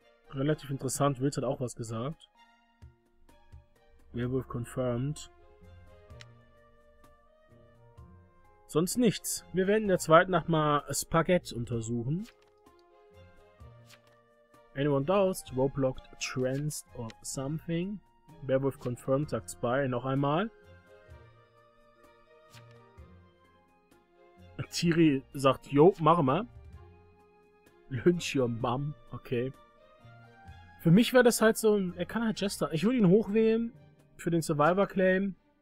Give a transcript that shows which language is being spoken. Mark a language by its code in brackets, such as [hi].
[de] Relativ interessant, Wills hat auch was gesagt. [en] Werewolf confirmed. [de] Sonst nichts. Wir werden in der zweiten Nacht mal Spaghetti untersuchen. [en] Anyone doused, roadblocked, tranced or something. Werewolf confirmed, [de] sagt Spy noch einmal. Tiri sagt, jo, mach mal. [en] Lynch your mom. [de] Okay. Für mich wäre das halt so ein, er kann halt Jester. Ich würde ihn hochwählen für den Survivor Claim.